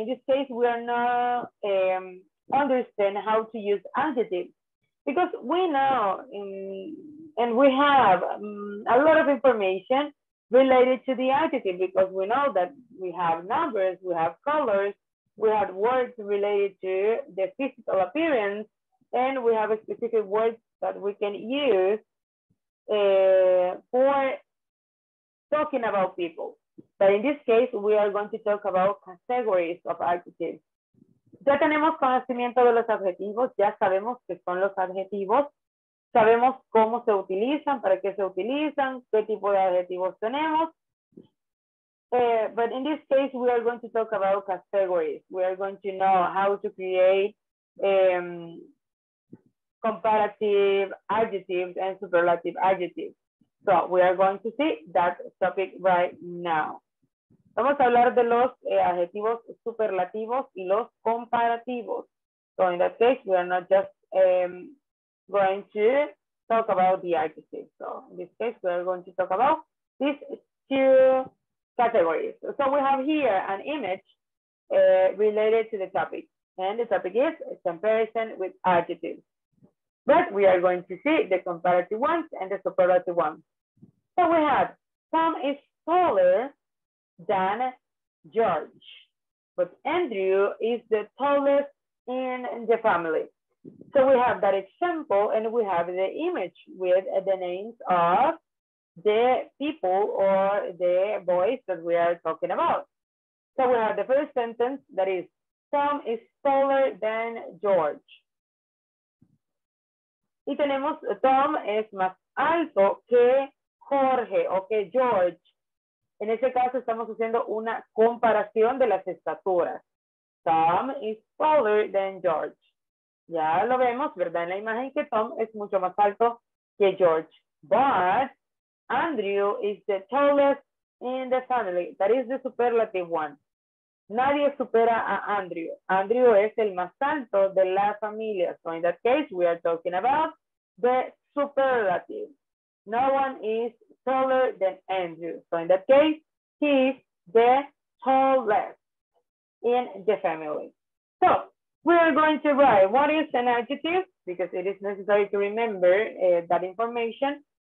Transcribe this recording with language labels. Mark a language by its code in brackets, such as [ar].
[en] In this case, we are not understand how to use adjectives, because we know and we have a lot of information related to the adjective, because we know that we have numbers, we have colors, we have words related to the physical appearance, and we have a specific words that we can use for talking about people. But in this case, we are going to talk about categories of adjectives. [es] Ya tenemos conocimiento de los adjetivos, ya sabemos qué son los adjetivos, sabemos cómo se utilizan, para qué se utilizan, qué tipo de adjetivos tenemos. [en] But in this case, we are going to talk about categories. We are going to know how to create comparative adjectives and superlative adjectives. So we are going to see that topic right now. [es] Vamos a hablar de los adjetivos superlativos y los comparativos. [en] So in that case, we are not just going to talk about the adjectives. So in this case, we are going to talk about these two categories. So we have here an image related to the topic. And the topic is comparison with adjectives. But we are going to see the comparative ones and the superlative ones. So we have, Tom is taller than George, but Andrew is the tallest in the family. So we have that example, and we have the image with the names of the people or the boys that we are talking about. So we have the first sentence, that is, Tom is taller than George. [es] Y tenemos, Tom es más alto que Jorge, o que George. En ese caso, estamos haciendo una comparación de las estaturas. [en] Tom is taller than George. [es] Ya lo vemos, ¿verdad? En la imagen, que Tom es mucho más alto que George. [en] But Andrew is the tallest in the family. That is the superlative one. [es] Nadie supera a Andrew. Andrew es el más alto de la familia. [en] So in that case, we are talking about the superlative. No one is taller than Andrew. So in that case, he is the tallest in the family. So we are going to write, what is an adjective? Because it is necessary to remember that information.